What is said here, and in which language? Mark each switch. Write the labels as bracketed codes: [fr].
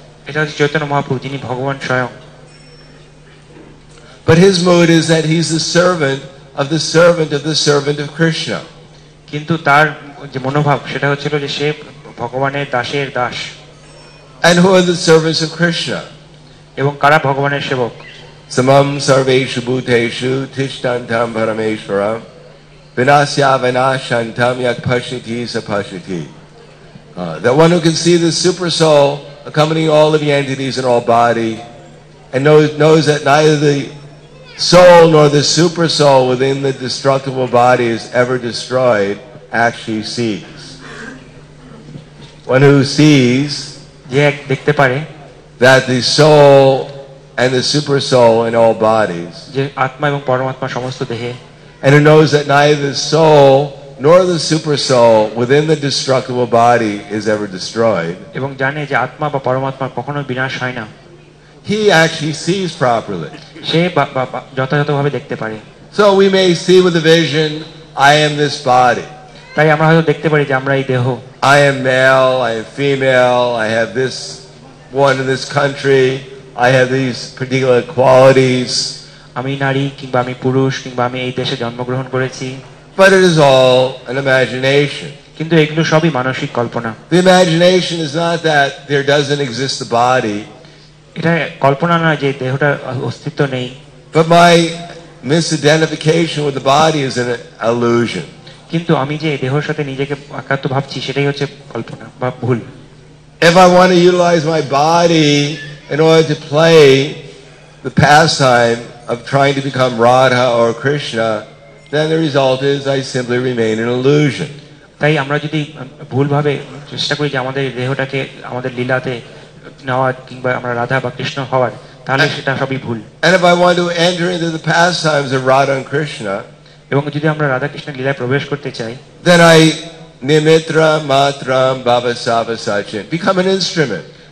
[bn] এটা হচ্ছে চৈতন্য মহাপ্রভু যিনি ভগবান স্বয়ং [en] But his mood is that he's the servant of the servant of the servant of Krishna. [bn] কিন্তু তার যে মনোভাব সেটা হচ্ছিল যে সে ভগবানের দাসের Das. [en] And who are the servants of Krishna? [bn] এবং কারা ভগবানের সেবক? [sa] Samam sarveshu bhuteshu tishtantam parameshwaram vinasya vinashantam yak pashyati sa pashyati. [en] That one who can see the super soul accompanying all of the entities in all body and knows that neither the soul nor the super soul within the destructible body is ever destroyed actually sees one who sees [bn] yeah dekhte pare [en] that the soul and the super soul in all bodies [bn] je atma ebong paramatma somosto dehe [en] and who knows that neither the soul nor the super soul within the destructible body is ever destroyed. [bn] এবং জানে যে আত্মা বা পরমাত্মা কখনো বিনাশ হয় না. [en] He actually sees properly. [bn] সে যথাযথভাবে দেখতে পারে. [en] So we may see with a vision, I am this body. [bn] তাই আমরা হয়তো দেখতে পারি যে আমরা এই দেহ. [en] I am male, I am female, I have this one in this country, I have these particular qualities. [bn] আমি নারী কিংবা আমি পুরুষ কিংবা আমি এই দেশে জন্মগ্রহণ করেছি. [en] But it is all an imagination. [bn] কিন্তু এগুলো সবই মানসিক কল্পনা. [en] The imagination is not that there doesn't exist the body. [bn] এটা কল্পনা না যে দেহটার অস্তিত্ব নেই. [en] But my misidentification with the body is an illusion. [bn] কিন্তু আমি যে দেহের সাথে নিজেকে একাত্ম ভাবছি সেটাই হচ্ছে কল্পনা বা ভুল. [en] If I want to utilize my body in order to play the pastime of trying to become Radha or Krishna, then the result is I simply remain an illusion. [bn] তাই আমরা যদি ভুলভাবে চেষ্টা করি যে আমাদের দেহটাকে আমাদের লীলাতে নেওয়া কিংবা আমরা রাধা বা কৃষ্ণ হওয়ার তাহলে সেটা সবই ভুল. [en] And if I want to enter into the pastimes of Radha and Krishna, [bn] এবং যদি আমরা রাধা কৃষ্ণ লীলায় প্রবেশ করতে চাই, [en] then I [sa] nimitra matram bhava sava sachin [en] become an instrument.